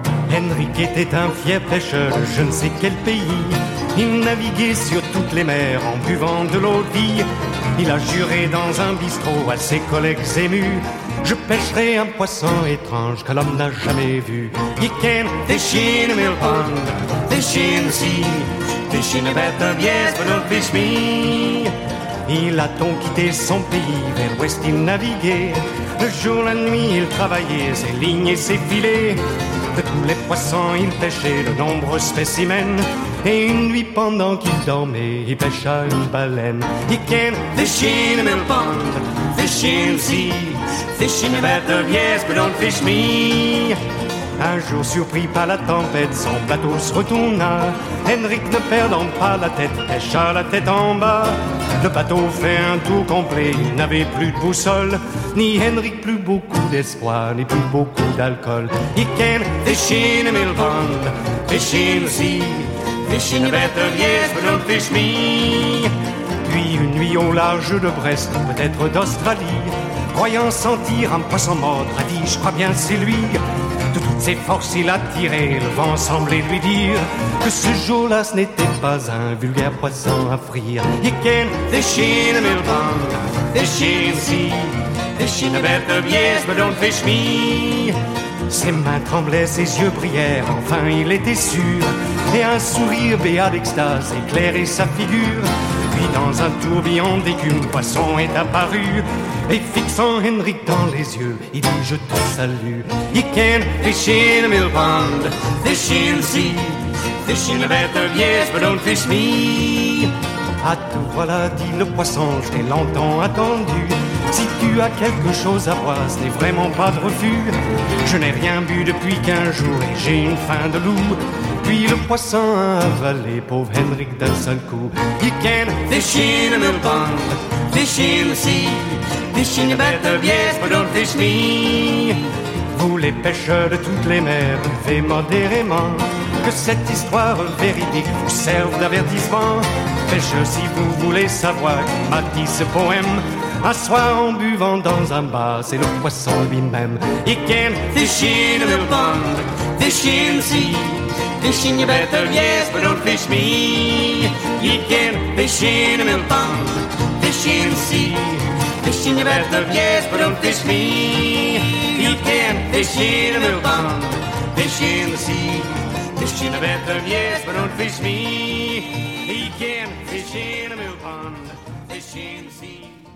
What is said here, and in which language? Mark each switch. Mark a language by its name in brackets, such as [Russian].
[French] Henrik était un fier pêcheur de je ne sais quel pays. Il naviguait sur toutes les mers en buvant de l'eau de vie. Il a juré dans un bistrot à ses collègues émus: je pêcherai un poisson étrange que l'homme n'a jamais vu. [English] Il came fishing in the pond, fishing in the sea, fishing about the yes, but don't fish me. [French] Il a donc quitté son pays, vers l'ouest il naviguait. Le jour, la nuit, il travaillait ses lignes et ses filets. De tous les poissons, il pêchait de nombreux spécimens. Et une nuit, pendant qu'il dormait, il pêcha une baleine. [English] He came fishing in the pond, fishing in the sea, fishing about the yes, but don't fish me. [French] Un jour, surpris par la tempête, son bateau se retourna. Henrik, ne perdant pas la tête, pêcha la tête en bas. Le bateau fait un tour complet, il n'avait plus de boussole. Ni Henrik, plus beaucoup d'espoir, ni plus beaucoup d'alcool. [English] He came fishing in the pond, fishing in the sea, fishing about the yes, but don't fish me. [French] Puis une nuit au large de Brest, peut-être d'Australie, croyant sentir un poisson mordre, a dit: je crois bien c'est lui. De toutes ses forces il a tiré, le vent semblait lui dire que ce jour-là ce n'était pas un vulgaire poisson à frire. [English] He came fishing in the pond, fishing in the sea, fishing about the yes, but don't fish me. [French] Ses mains tremblaient, ses yeux brillèrent, enfin il était sûr. Et un sourire béat d'extase éclairait sa figure. Puis dans un tourbillon d'écume, poisson est apparu. Et fixant Henrik dans les yeux, il dit: je te salue. [English] He came fishing in the pond, fishing in the sea, fishing about the yes, but don't fish me. [French] Ah, te voilà, dit le poisson, je t'ai longtemps attendu. Si tu as quelque chose à boire, ce n'est vraiment pas de refus. Je n'ai rien bu depuis 15 jours et j'ai une faim de loup. Puis le poisson a avalé pauvre Henrik d'un seul coup. [English] He came fishing in the pond, fishing in the sea, fishing about the yes, but don't fish me. [French] Vous les pêcheurs de toutes les mers, buvez modérément. Que cette histoire véridique vous serve d'avertissement. Pêcheurs, si vous voulez savoir qui m'a dit ce poème, un soir en buvant dans un bar, c'est le poisson lui-même. [English] He came fishing in the pond, fishing in the sea, fishing about the yes, but don't fish me. He came fishing in the pond, fishing in the sea, fishing about the yes, but don't fish me. He came fishing in the pond, fishing in the sea, fishing about the yes, but don't fish me. He came fishing in the pond, fishing in the sea.